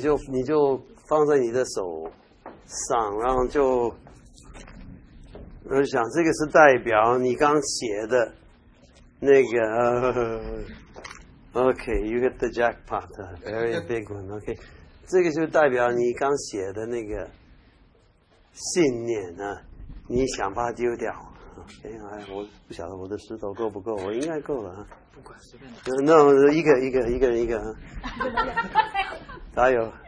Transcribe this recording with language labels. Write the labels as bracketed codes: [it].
[zh] 你就放在你的手上，然后就我想这个是代表你刚写的那个。 [en] Okay, you hit the jackpot, a very big one. [zh] Okay, 这个就代表你刚写的那个信念呢、啊，你想把它丢掉。哎，我不晓得我的石头够不够，我应该够了。不管随便拿。那、no, 一个人一个。还有。